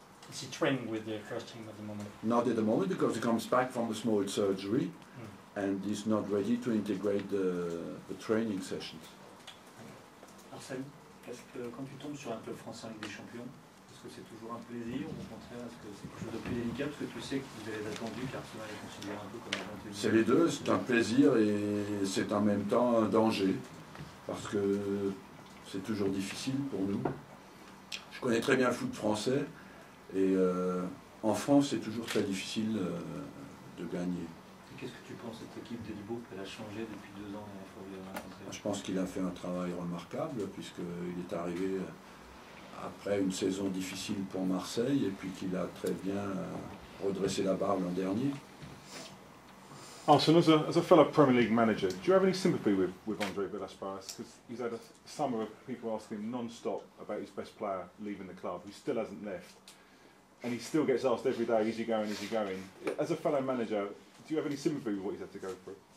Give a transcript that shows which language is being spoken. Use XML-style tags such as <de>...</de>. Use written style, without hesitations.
<en>Is he training with the first team at the moment? Not at the moment, because he comes back from a small surgery and is not ready to integrate the training sessions.</en> <fr>Quand tu tombes sur un club français avec des champions, est-ce que c'est toujours un plaisir ou au contraire, est-ce que c'est quelque chose de plus délicat parce que tu sais que vous avez attendu qu'Arsenal est considéré un peu comme un danger? C'est les deux, c'est un plaisir et c'est en même temps un danger parce que c'est toujours difficile pour nous. Je connais très bien le foot français et en France c'est toujours très difficile de gagner. Qu'est-ce que tu penses de cette équipe de Libourg, qu'elle a changé depuis deux ans et je pense qu'il a fait un travail remarquable, puisqu'il est arrivé après une saison difficile pour Marseille et puis qu'il a très bien redressé la barre l'an dernier.</fr> <en>Arsene, as a fellow Premier League manager, do you have any sympathy with Andre Villas-Boas? Because he's had a summer of people asking non-stop about his best player leaving the club, who still hasn't left. And he still gets asked every day, is he going, is he going? As a fellow manager, do you have any sympathy with what he's had to go through?</en>